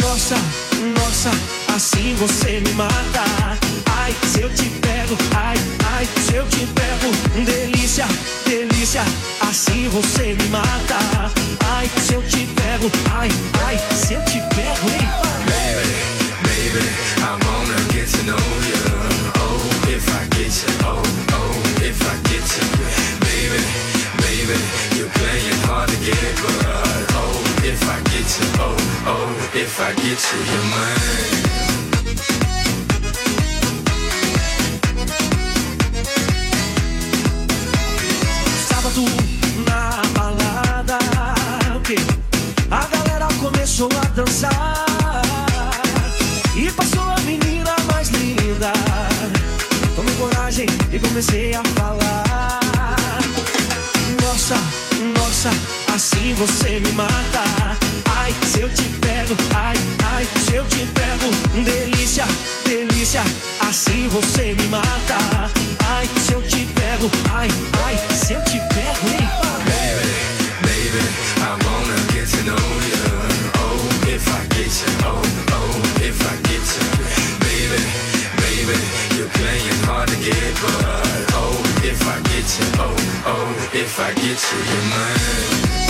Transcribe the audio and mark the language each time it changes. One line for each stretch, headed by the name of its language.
Portuguese: Nossa, nossa, assim você me mata. Ai, se eu te pego, ai, ai, se eu te pego. Delícia, delícia, assim você me mata. Ai, se eu te pego, ai, ai, se eu te pego.
English: Baby, baby, I wanna get to know you. Oh, if I get you, oh, oh, if I get you. Baby, baby, you're playing hard to get, but if I get to, oh, oh, if I get to your mind.
Portuguese: Sábado na balada, okay. A galera começou a dançar. E passou a menina mais linda. Tomei coragem e comecei a falar. você me mata. Ai, se eu te pego, ai, ai, se eu te pego. Delícia, delícia, assim você me mata. Ai, se eu te pego, ai, ai, se eu te pego.
English: Baby, baby, I wanna get to know you. If I get you, oh, oh, if I get you. Baby, baby, you're playing hard to get, but oh, if I get you, oh, oh, if I get you, you're mine.